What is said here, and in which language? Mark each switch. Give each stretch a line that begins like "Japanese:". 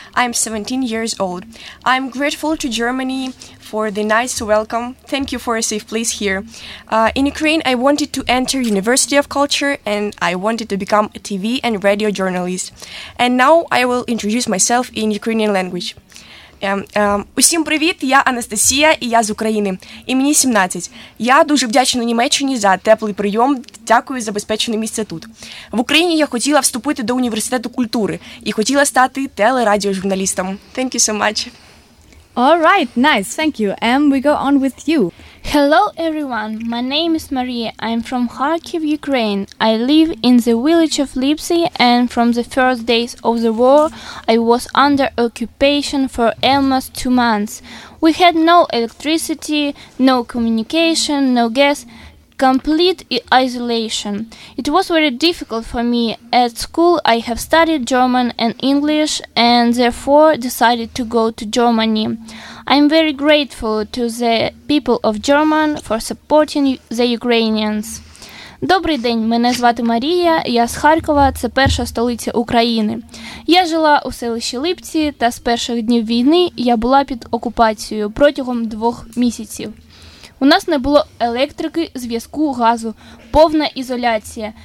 English: I'm 17 years old. I'm grateful to Germany for the nice welcome. Thank you for a safe place here. In Ukraine, I wanted to enter University of Culture and I wanted to become a TV and radio journalist. And now I will introduce myself in Ukrainian language.
Ukrainian: Усім привіт, я Анастасія і я з України. І мені 17. Я дуже вдячна Німеччині за теплий прийом. Дякую за безпечне місце тут. В Україні я хотіла вступити до університету культури і хотіла стати телерадіожурналістом.
English: Thank you so much. All right, nice. Thank you. And we go on with you. Hello everyone. My name is Maria. I'm from Kharkiv, Ukraine. I live in the village of Lipsy and from the first days of the war, I was under occupation for almost 2 months. We had no electricity, no communication, no gas, complete isolation. It was very difficult for me. At school, I have studied German and English and therefore decided to go to Germany. I'm very grateful to the people of Germany for supporting the Ukrainians.
Ukrainian: Добрий день, мене звати Марія, я з Харкова, це перша столиця України. Я жила у селищі Липці та з перших днів війни я була під окупацією протягом 2 місяців. У нас не було електрики, зв'язку, газу, повна ізоляція.